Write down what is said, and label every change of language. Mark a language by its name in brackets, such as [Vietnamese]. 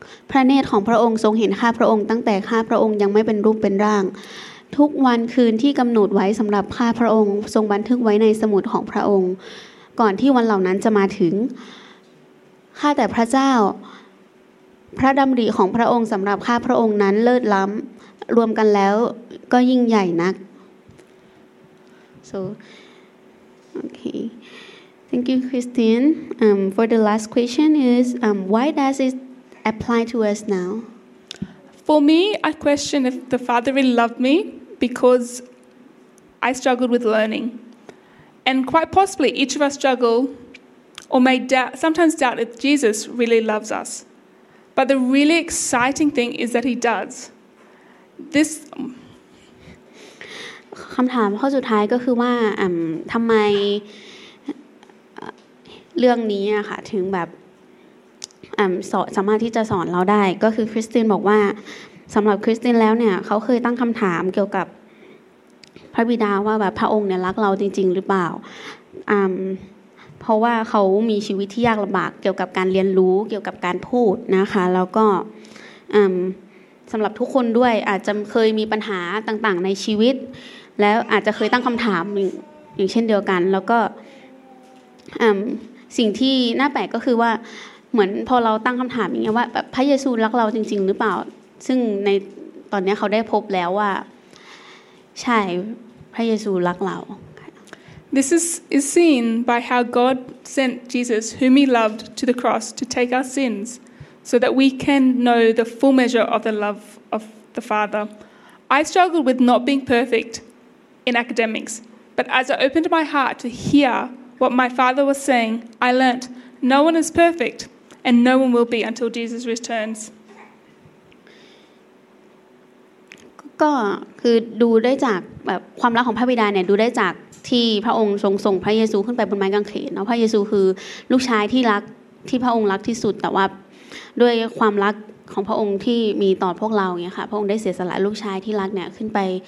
[Thai] พระเนตรของพระองค์ทรงเห็นข้าพระองค์ตั้งแต่ข้าพระองค์ยังไม่เป็นรูปเป็นร่างทุกวันคืนที่กำหนดไว้สำหรับข้าพระองค์ทรงบันทึกไว้ในสมุดของพระองค์ก่อนที่วันเหล่านั้นจะมาถึง ข้าแต่พระเจ้าพระดำริของพระองค์สำหรับข้าพระองค์นั้นเลิศล้ำรวมกันแล้วก็ยิ่งใหญ่นัก [English] so okay thank you Christine for the last question is why does it apply to us now for me I question if the father really loved me because I struggled with learning and quite possibly each of us struggle or may doubt sometimes doubt if Jesus really loves us but the really exciting thing is that he doesThis [Thai] คำถามข้อสุดท้ายก็คือว่าทำไมเรื่องนี้อะค่ะถึงแบบสามารถที่จะสอนเราได้ก็คือคริสตินบอกว่าสำหรับคริสตินแล้วเนี่ยเขาเคยตั้งคำถามเกี่ยวกับพระบิดาว่าแบบพระองค์เนี่ยรักเราจริงๆหรือเปล่า เพราะว่าเขามีชีวิตที่ยากลำบากเกี่ยวกับการเรียนรู้เกี่ยวกับการพูดนะคะแล้วก็สำหรับทุกคนด้วยอาจจะเคยมีปัญหาต่างๆในชีวิตแล้วอาจจะเคยตั้งคำถามอย่างเช่นเดียวกันแล้วก็ สิ่งที่น่าแปลกก็คือว่าเหมือนพอเราตั้งคำถามอย่างเงี้ยว่าแบบพระเยซูรักเราจริงๆหรือเปล่าซึ่งในตอนนี้เขาได้พบแล้วว่าใช่พระเยซูรักเรา [English] This is seen by how God sent Jesus whom he loved to the cross to take our sinsso that we can know the full measure of the love of the Father. I struggled with not being perfect in academics, but as I opened my heart to hear what my father was saying, I learnt, no one is perfect, and no one will be until Jesus returns. [Thai] ก็คือดูได้จากแบบความรักของพระบิดาเนี่ยดูได้จากที่พระองค์ทรงส่งพระเยซูขึ้นไปบนไม้กางเขนเนาะพระเยซูคือลูกชายที่รักที่พระองค์รักที่สุดแต่ว่าด้วยความรักของพระองค์ที่มีต่อพวกเราเงี้ยค่ะพระองค์ได้เสียสละลูกชายที่รักเนี่ยขึ้นไป